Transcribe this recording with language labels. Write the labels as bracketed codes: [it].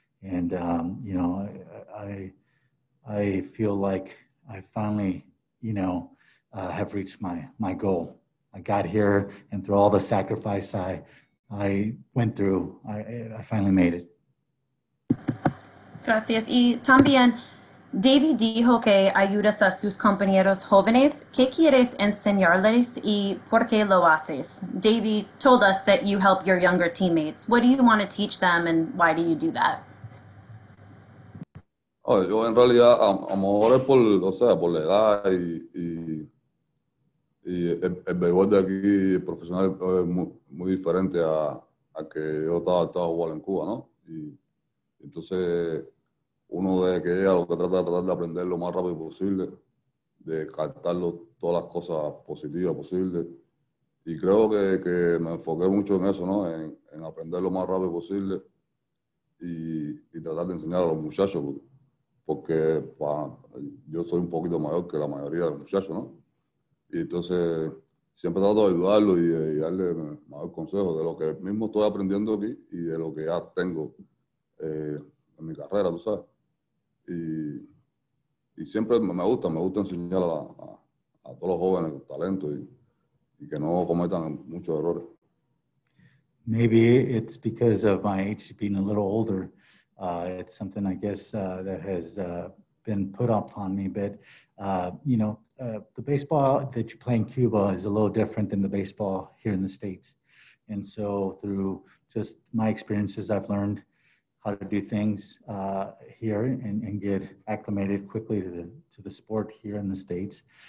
[en] And, you know, I feel like I finally, you know, have reached my goal. I got here, and through all the sacrifice I went through, I finally made it. [es] Gracias. Y también, Davey dijo que ayudas a sus compañeros jóvenes. ¿Qué quieres enseñarles y por qué lo haces? [en] Davey told us that you help your younger teammates. What do you want to teach them, and why do you do that? [es] Oh, yo en realidad, a lo mejor es por, o sea, por la edad y y el béisbol de aquí el profesional es muy diferente a que yo estaba jugando en Cuba, ¿no? Y entonces uno de que ella lo que trata de tratar de aprender lo más rápido posible, de captar todas las cosas positivas posibles. Y creo que me enfoqué mucho en eso, ¿no? En aprender lo más rápido posible y tratar de enseñar a los muchachos, porque yo soy un poquito mayor que la mayoría de los muchachos, ¿no? Y entonces siempre trato de ayudarlo y darle mejor consejo de lo que mismo estoy aprendiendo aquí y de lo que ya tengo en mi carrera, tú sabes. Y siempre me gusta enseñar a todos los jóvenes el talento y que no cometan muchos errores. [en] Maybe it's because of my age being a little older. It's something, I guess, that has been put upon me. But, you know, the baseball that you play in Cuba is a little different than the baseball here in the States. And so through just my experiences, I've learned how to do things here and get acclimated quickly to the sport here in the States.